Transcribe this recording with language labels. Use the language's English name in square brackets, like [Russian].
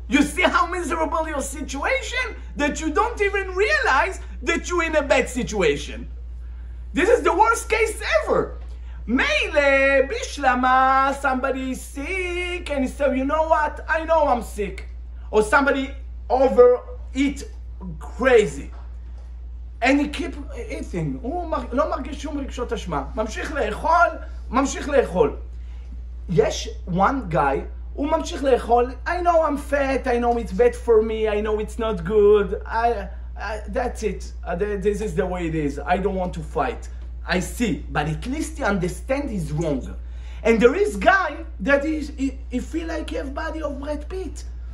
[English] You see how miserable your situation, that you don't even realize that you're in a bad situation. This is the worst case ever. Meile bishlama, somebody is sick and he said, you know what, I know I'm sick. Or somebody over eat crazy. And he keep eating. [Hebrew] הוא לא מרגיש שום רגשות אשמה. ממשיך לאכול. יש [English] one guy, [Hebrew] הוא ממשיך לאכול. [English] I know I'm fat, I know it's bad for me, I know it's not good. This is the way it is. I don't want to fight. I see, but at least he understand he's wrong. And there is guy that is, he feel like he have body of Brad Pitt.